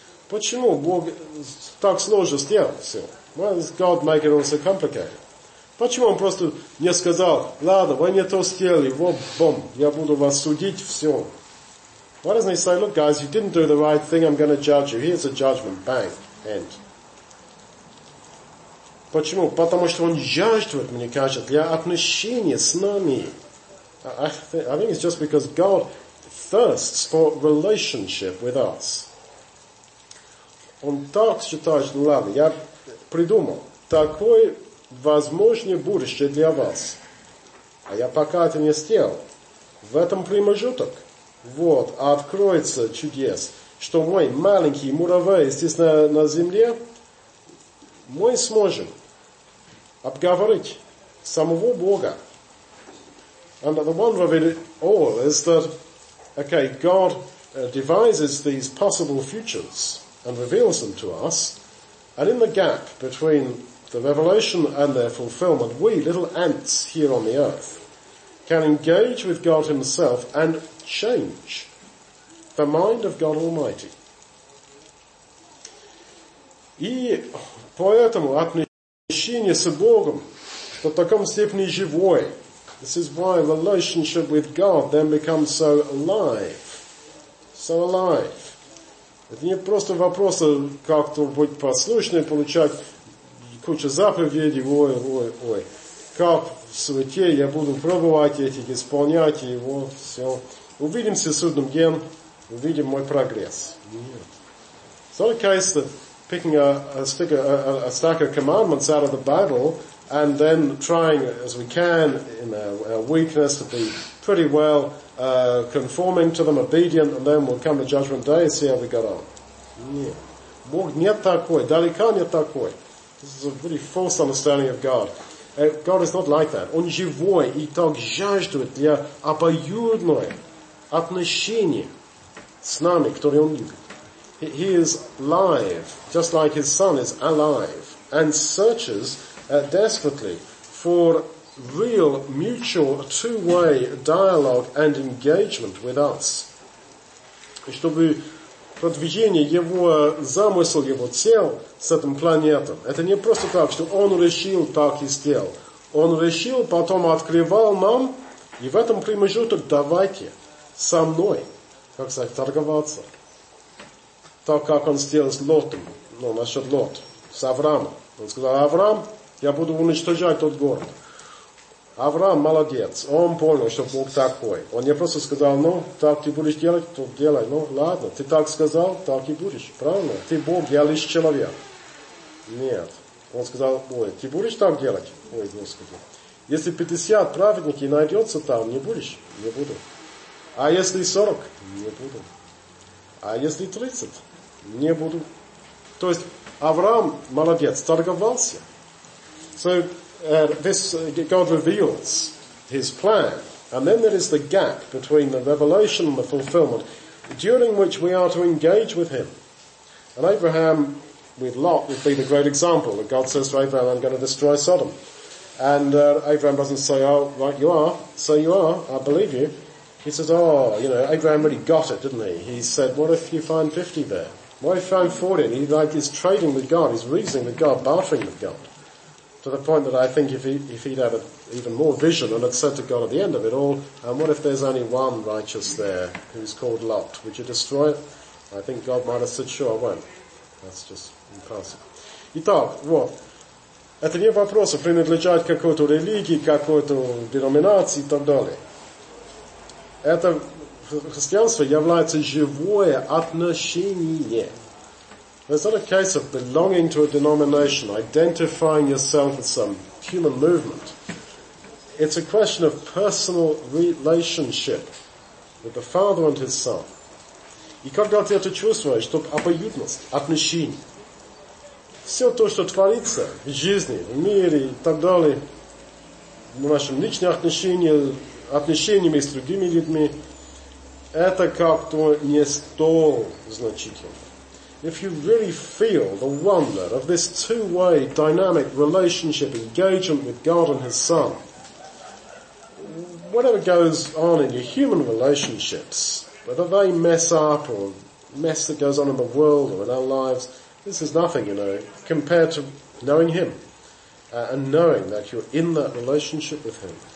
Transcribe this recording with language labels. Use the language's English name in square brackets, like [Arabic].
[Russian] Почему Бог так сложно сделал все? [English] Why does God make it all so complicated? [Russian] Почему он просто не сказал, ладно, вы не то сделали, вот, бум, я буду вас судить, все. [English] Why doesn't he say, look guys, you didn't do the right thing, I'm going to judge you. Here's a judgment, bang, end. [Russian] Почему? Потому что он жаждет, мне кажется, для отношения с нами. [English] I think it's just because God thirsts for relationship with us. [Russian] Он так считает, что, ладно, я придумал такое возможное будущее для вас. А я пока это не сделал. В этом промежуток вот, откроется чудес, что мой маленький муравей здесь на земле мы сможем обговорить самого Бога. [English] And the wonder of it all is that, okay, God devises these possible futures and reveals them to us, and in the gap between the revelation and their fulfillment, we, little ants here on the earth, can engage with God himself and change the mind of God Almighty. [Russian] И поэтому отношение с Богом до такой степени живое. [English] This is why relationship with God then becomes so alive. So alive. [Russian] Это не просто вопрос, как-то быть послушным, получать кучу заповедей, ой. Как в суете я буду пробовать эти, исполнять его, все. Увидимся в судном ген, увидим мой прогресс. Нет. [English] It's not a case that picking a stack of commandments out of the Bible and then trying as we can in our weakness to be pretty well conforming to them, obedient, and then we'll come to judgment day and see how we got on. [Russian] Нет. Бог не такой, далеко не такой. [English] This is a really false understanding of God. God is not like that. [Russian] Он живой и так жаждует для обоюдное отношение с нами, которые он любит. [English] He is live, just like his son is alive, and searches desperately for real, mutual, two-way dialogue and engagement with us. [Russian] Чтобы продвижение его замысел, его цел с этим планетом. Это не просто так, что он решил так и сделал. Он решил, потом открывал нам, и в этом промежуток давайте со мной, как сказать, торговаться. Так как он сделал с Лотом, ну, насчет Лот, с Авраамом. Он сказал, Авраам, я буду уничтожать тот город. Авраам молодец, он понял, что Бог такой. Он не просто сказал, ну, так ты будешь делать, то делай. Ну, ладно, ты так сказал, так и будешь. Правильно? Ты Бог, я лишь человек. Нет. Он сказал, ой, ты будешь так делать? Ой, Господи. Если 50 праведники найдется там, не будешь? Не буду. А если 40? Не буду. А если 30? Не буду. То есть Авраам молодец, торговался. [English] So this God reveals his plan, and then there is the gap between the revelation and the fulfillment, during which we are to engage with him. And Abraham with Lot would be the great example. That God says to Abraham, "I'm going to destroy Sodom," and Abraham doesn't say, "Oh, right, you are. So you are. I believe you." He says, "Oh, you know, Abraham really got it, didn't he?" He said, "What if you find 50 there?" Why he found 40? He like is trading with God, he's reasoning with God, bartering with God. To the point that I think if he'd had even more vision and had said to God at the end of it all, and what if there's only one righteous there who's called Lot? Would you destroy it? I think God might have said, sure, I won't. That's just impossible. [Russian] Итак, вот. Это не вопрос, принадлежать какой-то религии, какой-то деноминации и так далее. Это христианство является живое отношение. [English] It's not a case of belonging to a denomination, identifying yourself with some human movement. It's a question of personal relationship with the Father and His Son. [Russian] И когда ты это чувствуешь, что обоюдность, отношение, все то, что творится в жизни, в мире и так далее, в нашем личном отношении, отношениями с другими людьми, это как-то не столь значительно. [English] If you really feel the wonder of this two-way dynamic relationship engagement with God and His Son, whatever goes on in your human relationships, whether they mess up or mess that goes on in the world or in our lives, this is nothing, you know, compared to knowing Him and knowing that you're in that relationship with Him.